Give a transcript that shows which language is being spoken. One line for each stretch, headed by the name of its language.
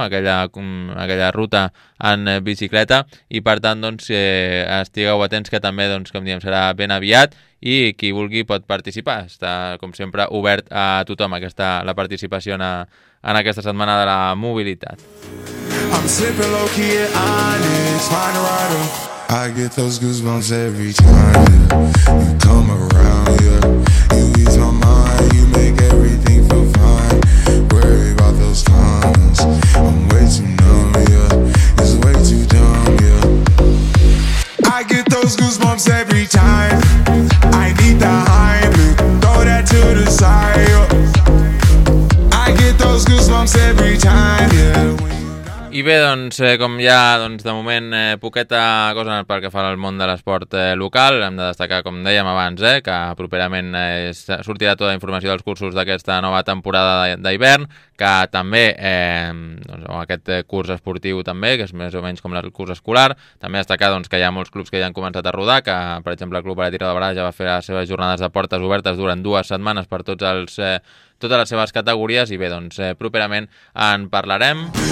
Catalan: aquella ruta en bicicleta, i per tant doncs, estigueu atents que també doncs, com diem, serà ben aviat i qui vulgui pot participar. Està, com sempre, obert a tothom aquesta, la participació en aquesta setmana de la mobilitat.
English: I'm slipping low key and I need a spine rider. I get those goosebumps every time, yeah. You come around, yeah. You ease my mind, you make everything feel fine. Worry about those times, I'm way too numb, yeah. It's way too dumb, yeah. I get those goosebumps every time. I need the Heimlich, throw that to the side, yeah. I get those goosebumps every time, yeah.
Catalan: I bé, doncs, com ja doncs, de moment poqueta cosa pel que fa al món de l'esport local, hem de destacar, com dèiem abans, que properament sortirà tota la informació dels cursos d'aquesta nova temporada d'hivern, que també, doncs, aquest curs esportiu també, que és més o menys com el curs escolar, també destacar doncs, que hi ha molts clubs que ja han començat a rodar, que, per exemple, el Club Aleti Rabadà ja va fer les seves jornades de portes obertes durant dues setmanes per tots els totes les seves categories, i bé, doncs, properament en parlarem.